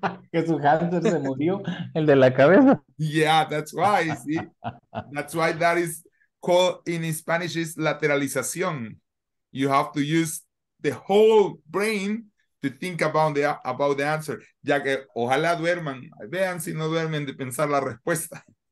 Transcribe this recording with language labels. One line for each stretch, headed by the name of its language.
Spanish: Que su hamster se murió, el de la cabeza.
English: Yeah, that's why, see? That's why that is called in Spanish is lateralización. You have to use the whole brain to think about the answer.
Spanish: Ya que ojalá duerman. Vean si no duermen de pensar la respuesta.